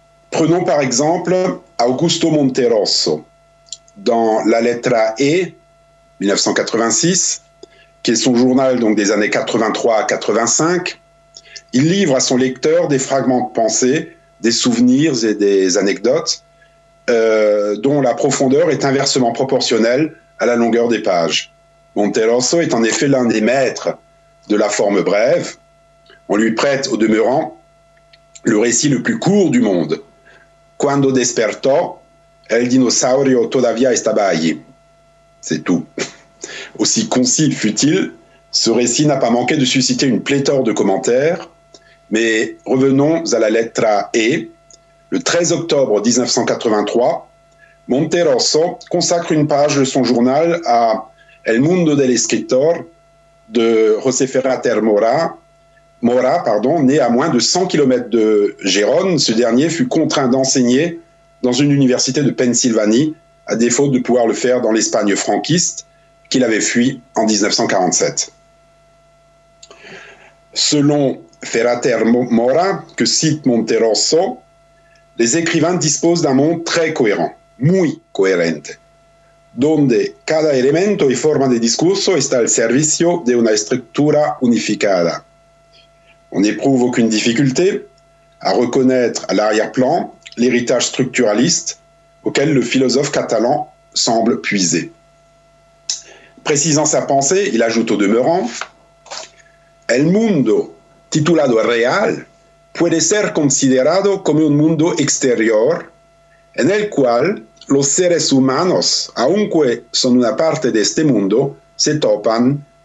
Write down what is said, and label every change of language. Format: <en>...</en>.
<fr>Prenons par exemple Augusto Monterroso, dans la lettre E, 1986, qui est son journal donc des années 83 à 85, il livre à son lecteur des fragments de pensée, des souvenirs et des anecdotes, dont la profondeur est inversement proportionnelle à la longueur des pages. Monterroso est en effet l'un des maîtres de la forme brève. On lui prête, au demeurant, le récit le plus court du monde. «</fr> <es>Quando despertò, el dinosaurio todavía estaba allí.</es> <fr>» C'est tout. Aussi concis fut-il, ce récit n'a pas manqué de susciter une pléthore de commentaires. Mais revenons à la lettre E. Le 13 octobre 1983, Monterroso consacre une page de son journal à « El mundo del escritor » de José Ferrater Mora, né à moins de 100 km de Gérone. Ce dernier fut contraint d'enseigner dans une université de Pennsylvanie, à défaut de pouvoir le faire dans l'Espagne franquiste, qu'il avait fui en 1947. Selon Ferrater Mora, que cite Monterroso, les écrivains disposent d'un monde très cohérent,</fr> <es>muy coherente. donde cada elemento y forma de discurso está al servicio de una estructura unificada.</es> <fr>On n'éprouve aucune difficulté à reconnaître à l'arrière-plan l'héritage structuraliste auquel le philosophe catalan semble puiser. Précisant sa pensée, il ajoute au demeurant «</fr> <es>El mundo, titulado real, puede ser considerado como un mundo exterior en el cual los seres humanos, aunque son una parte de este mundo, se topan</es>